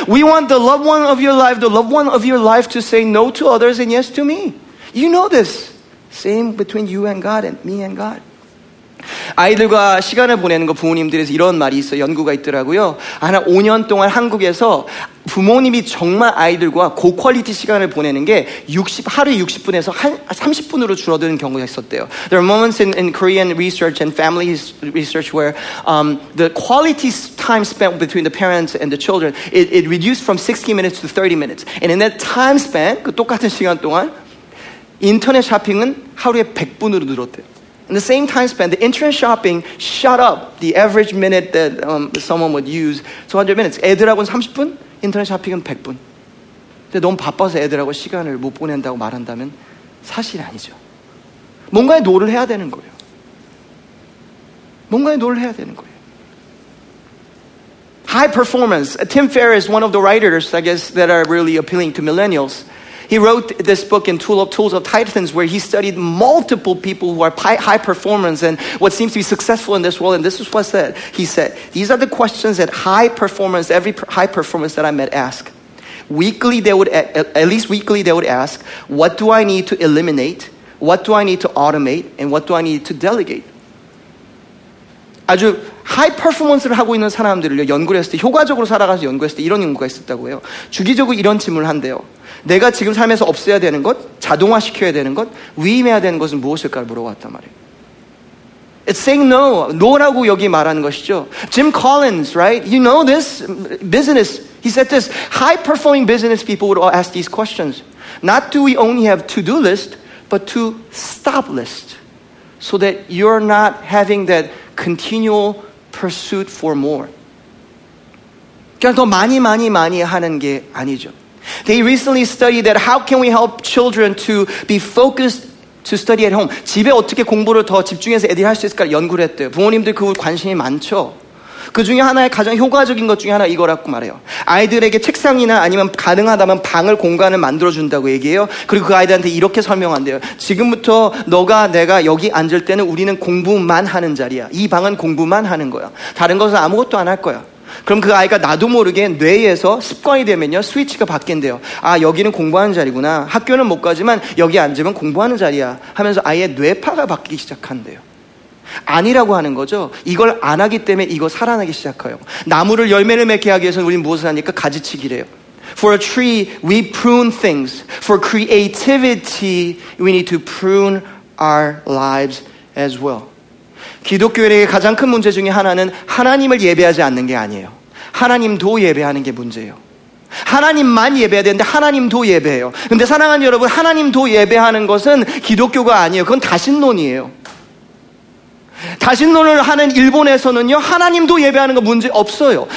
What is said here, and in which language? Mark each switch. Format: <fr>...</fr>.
<en>We want the loved one of your life, the loved one of your life to say no to others and yes to me. You know this. Same between you and God and me and God.</en> <ko>아이들과 시간을 보내는 거 부모님들에서 이런 말이 있어요. 연구가 있더라고요. 한 5년 동안 한국에서 부모님이 정말 아이들과 고퀄리티 시간을 보내는 게 하루에 60분에서 30분으로 줄어드는 경우가 있었대요.</ko> <en>There are moments in Korean research and family research where the quality time spent between the parents and the children it reduced from 60 minutes to 30 minutes. And in that time span,</en> <ko>그 똑같은 시간 동안 인터넷 쇼핑은 하루에 100분으로 늘었대요.</ko> <en>In the same time span, the internet shopping shot up the average minute that someone would use to 100 minutes.</en> <ko>애들하고는 30분, 인터넷 쇼핑은 100분. 근데 너무 바빠서 애들하고 시간을 못 보낸다고 말한다면 사실 아니죠. 뭔가의 노를 해야 되는 거예요. 뭔가의 노를 해야 되는 거예요.</ko> <en>High performance. Tim Ferriss, one of the writers, I guess, that are really appealing to millennials. He wrote this book in Tools of Titans where he studied multiple people who are high performance and what seems to be successful in this world. And this is what said. He said, these are the questions that high performance, every high performance that I met ask. Weekly, they would, at least weekly, they would ask, what do I need to eliminate? What do I need to automate? And what do I need to delegate?</en> <ko>아주 하이 퍼포먼스를 하고 있는 사람들을요 연구를 했을 때 효과적으로 살아가서 연구했을 때 이런 연구가 있었다고 해요. 주기적으로 이런 질문을 한대요. 내가 지금 삶에서 없애야 되는 것, 자동화시켜야 되는 것, 위임해야 되는 것은 무엇일까를 물어봤단 말이에요.</ko> <en>It's saying no.</en> <ko>No라고 여기 말하는 것이죠.</ko> <en>Jim Collins, right? You know this business. He said this. High-performing business people would all ask these questions. Not do we only have to-do list, but to stop list. So that you're not having that continual pursuit for more.</en> <ko>그냥 더 많이 많이 많이 하는 게 아니죠.</ko> <en>They recently studied that how can we help children to be focused to study at home.</en> <ko>집에 어떻게 공부를 더 집중해서 애들이 할 수 있을까 연구를 했대요. 부모님들 그 관심이 많죠. 그 중에 하나의 가장 효과적인 것 중에 하나 이거라고 말해요. 아이들에게 책상이나 아니면 가능하다면 방을 공간을 만들어준다고 얘기해요. 그리고 그 아이들한테 이렇게 설명한대요. 지금부터 너가 내가 여기 앉을 때는 우리는 공부만 하는 자리야. 이 방은 공부만 하는 거야. 다른 것은 아무것도 안 할 거야. 그럼 그 아이가 나도 모르게 뇌에서 습관이 되면요 스위치가 바뀐대요. 아 여기는 공부하는 자리구나. 학교는 못 가지만 여기 앉으면 공부하는 자리야 하면서 아예 뇌파가 바뀌기 시작한대요. 아니라고 하는 거죠. 이걸 안 하기 때문에 이거 살아나기 시작해요. 나무를 열매를 맺게 하기 위해서는 우리는 무엇을 하니까 가지치기래요.</ko> <en>For a tree, we prune things. For creativity, we need to prune our lives as well.</en> <ko>기독교인에게 가장 큰 문제 중에 하나는 하나님을 예배하지 않는 게 아니에요. 하나님도 예배하는 게 문제예요. 하나님만 예배해야 되는데 하나님도 예배해요. 근데 사랑하는 여러분, 하나님도 예배하는 것은 기독교가 아니에요. 그건 다신론이에요. 다신론을 하는 일본에서는요 하나님도 예배하는 거 문제 없어요.</ko>